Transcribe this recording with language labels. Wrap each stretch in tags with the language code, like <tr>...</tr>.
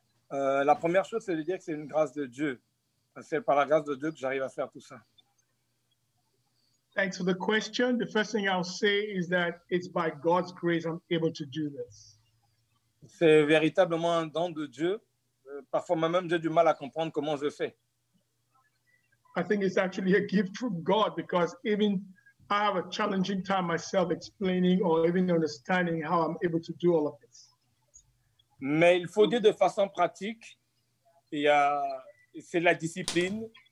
<fr>La première chose, c'est de dire que c'est une grâce de Dieu. C'est par la grâce de Dieu que j'arrive à faire tout ça.</fr> <en>Thanks for the question. The first thing I'll say is that it's by God's grace I'm able to do this.</en> <fr>C'est véritablement un don de Dieu. Parfois, moi-même, j'ai du mal à comprendre comment je fais.</fr> <en>I think it's actually a gift from God because even I have a challenging time myself explaining or even understanding how I'm able to do all of this.</en> <fr>Mais il faut dire de façon pratique, c'est la discipline.</fr>